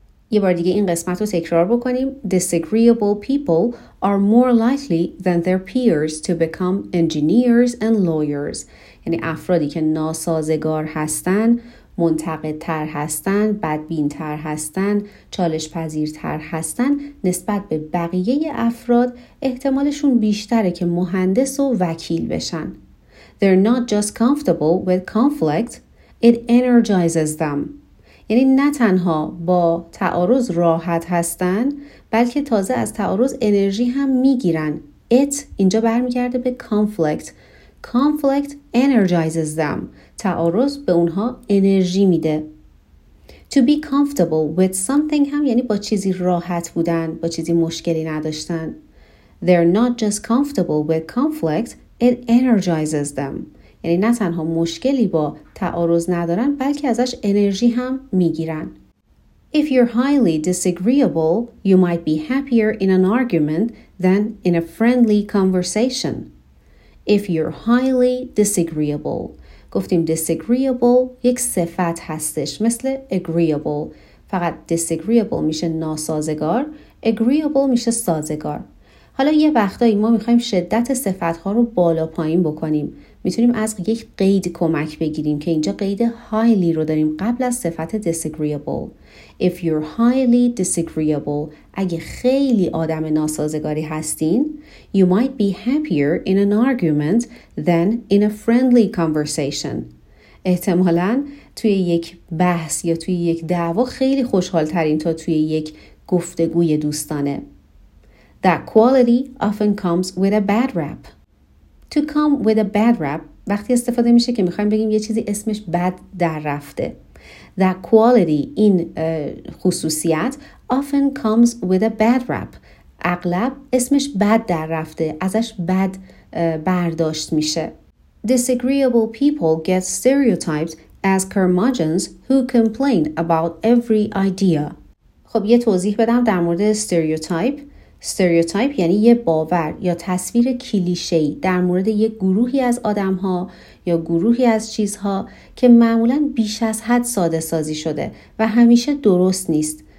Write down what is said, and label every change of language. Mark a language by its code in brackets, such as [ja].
[fa] یه بار دیگه این قسمت رو تکرار بکنیم: [en] disagreeable people are more likely than their peers to become engineers and lawyers. [fa] یعنی افرادی که ناسازگار هستن، منتقدتر هستن، بدبینتر هستن، چالش پذیرتر هستن، نسبت به بقیه افراد احتمالشون بیشتره که مهندس و وکیل بشن. [en] They're not just comfortable with conflict, it energizes them. [fa] یعنی نه تنها با تعارض راحت هستن، بلکه تازه از تعارض انرژی هم میگیرن. It اینجا برمیگرده به conflict. [en] Conflict energizes them. [fa] تعارض به اونها انرژی میده. [en] To be comfortable with something [fa] هم یعنی با چیزی راحت بودن، با چیزی مشکلی نداشتن. [en] They're not just comfortable with conflict, it energizes them. [fa] یعنی نه تنها مشکلی با تعارض ندارن، بلکه ازش انرژی هم میگیرن. [en] If you're highly disagreeable, you might be happier in an argument than in a friendly conversation. If you're highly disagreeable. [fa] گفتیم disagreeable یک صفت هستش، مثل agreeable. فقط disagreeable میشه ناسازگار، agreeable میشه سازگار. حالا یه وقتایی ما میخواییم شدت صفتها رو بالا پایین بکنیم، میتونیم از یک قید کمک بگیریم که اینجا قید highly رو داریم قبل از صفت disagreeable. [en] If you're highly disagreeable، [fa] اگه خیلی آدم ناسازگاری هستین، [en] you might be happier in an argument than in a friendly conversation. [fa] احتمالاً توی یک بحث یا توی یک دعوا خیلی خوشحال ترین تا توی یک گفتگوی دوستانه. [en] That quality often comes with a bad rap. To come with a bad rap [fa] وقتی استفاده میشه که میخوایم بگیم یه چیزی اسمش بد در رفته. [en] That quality [fa] این خصوصیت [en] often comes with a bad rap. [fa] اغلب اسمش بد در رفته، ازش بد برداشت میشه. [en] Disagreeable people get stereotyped as curmudgeons who complain about every idea. [fa] خب یه توضیح بدم در مورد استریوتایپ. استریوتایپ یعنی یه باور یا تصویر کلیشه‌ای در مورد یک گروهی از آدم‌ها یا گروهی از چیزها که معمولاً بیش از حد ساده سازی شده و همیشه درست نیست.